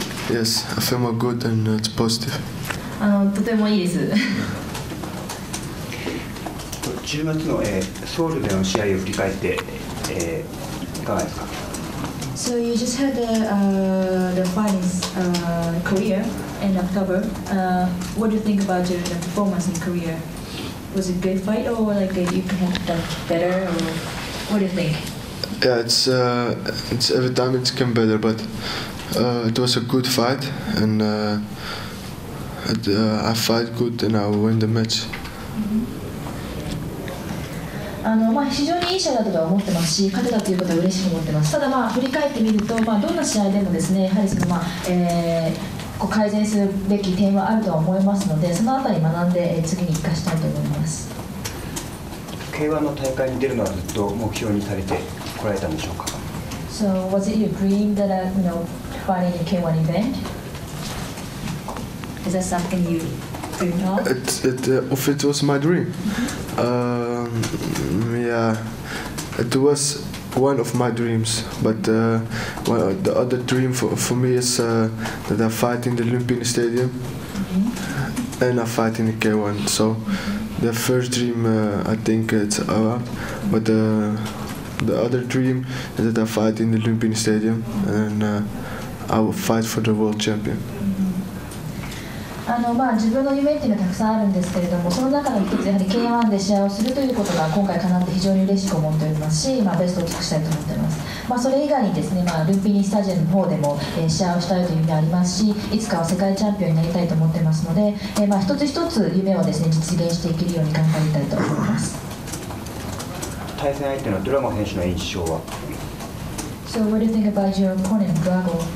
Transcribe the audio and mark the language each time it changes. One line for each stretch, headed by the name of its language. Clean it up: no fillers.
English: Yes, I feel more good and it's positive.
Japanese: とてもいいです。 10月の、ソウルでの試合を振り返って、いかがですか。
English: So you just had the finals Korea in October. What do you think about your performance in Korea? Was it a good fight or like you could have done better or what do you think? Yeah, it's every time it's come better, but it was a good fight and I fight good and I win the match.
Japanese: まあ、非常にいい試合だったとは思ってますし、勝てたということは嬉しく思ってます。ただ、まあ、振り返ってみると、まあ、どんな試合でもですね、やはりその、まあ改善すべき点はあるとは思いますので、そのあたり学んで次に生かしたいと思います。 K-1 の大会に出るのはずっと目標にされてこられたんでしょうか。
English: So was it your dream that you know, fighting a K-1 event? Is that something you dreamed of? If it was my dream? Yeah, it was one of my dreams, but well, the other dream for me is that I fight in the Olympic Stadium, mm-hmm. and I fight in the K-1. So mm-hmm. the first dream, I think it's up, mm-hmm. but the other dream is that I fight in the Olympic Stadium, and I will fight for the world champion.
Japanese: まあ、自分の夢というのはたくさんあるんですけれども、その中の一つやはり K-1 で試合をするということが今回かなって非常に嬉しく思っておりますし、まあ、ベストを尽くしたいと思っています。まあ、それ以外にですね、まあ、ルーピニスタジアムの方でも、試合をしたいという意味がありますし、いつかは世界チャンピオンになりたいと思っていますので、まあ、一つ一つ夢をですね、実現していけるように頑張りたいと思います。対戦相手のドラゴ選手の印象は。
English: So what do you think about your opponent, Drago?